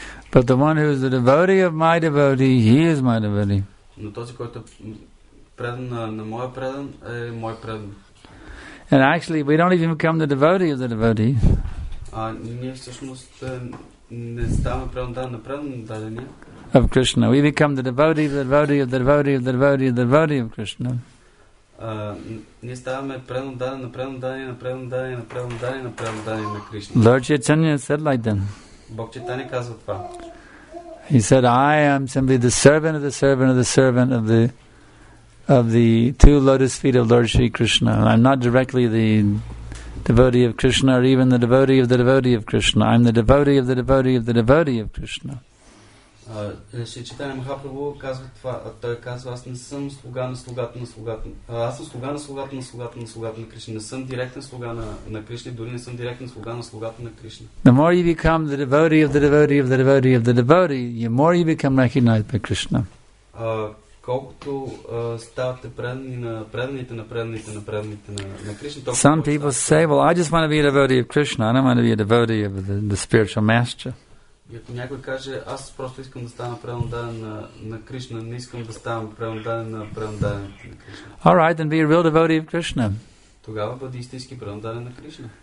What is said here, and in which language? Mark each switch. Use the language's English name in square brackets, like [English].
[English] But the one who is the devotee of my devotee, he is my devotee. [Bulgarian] Но този, който предан на моя предан, е мой предан. [English] And actually, we don't even become the devotee of the devotee. [Bulgarian] Ние всъщност не ставаме предан на предан дадени. [English] Of Krishna. We become the devotee of the devotee of the devotee of the devotee of the devotee of Krishna. [Bulgarian] Ние ставаме предан дадени на предан дадени на предан дадени на предан дадени на предан дадени на Кришна. [English] Lord Chaitanya said like that. [Bulgarian] Бог Чайтани казва това. [English] He said, I am simply the servant of the servant of the servant of the two lotus feet of Lord Shri Krishna. I'm not directly the devotee of Krishna or even the devotee of the devotee of Krishna. I'm the devotee of the devotee of the devotee of Krishna. [Bulgarian] Шри Чайтани Махапрабху казва това. Той казва, аз не съм слуга на слугата на слугата. Аз съм слуга на слугата на слугата на слугата на Кришна. Не съм директен слуга на Кришна, дори не съм директен слуга на слугата на Кришна. [English] The more you become the devotee of the devotee of the devotee of the devotee, the more you become recognized by Krishna. [Bulgarian] колкото ставате предани на преданите на преданите на преданите на Кришна, толкова. [English] Some people say, well, I just want to be a devotee of Krishna. I don't want to be a devotee of the spiritual master. [Bulgarian] И ако някой каже, аз просто искам да стана предан на Кришна, не искам да ставам предан на Кришна. [English] All right, then be a real devotee of Krishna. [Bulgarian] Тогава бъди истински предан на Кришна.